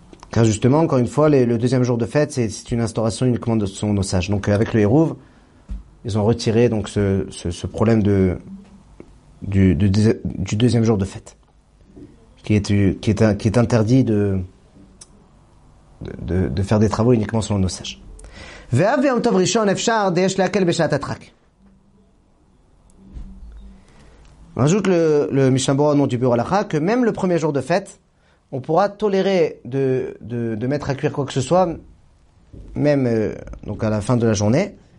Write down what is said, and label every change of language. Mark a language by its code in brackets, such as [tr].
[fr] Car justement, encore une fois, le deuxième jour de fête, c'est une instauration uniquement de son osage. Donc avec le Hérouv, ils ont retiré donc ce problème du deuxième jour de fête, qui est interdit de faire des travaux uniquement selon nos sages. [he] ואף ביום טוב ראשון אפשר דיש להקל בשעת הדחק. [fr] Rajoute le Mishnah Berurah au nom du Bureau Halakha que même le premier jour de fête, on pourra tolérer de mettre à cuire quoi que ce soit, même donc à la fin de la journée,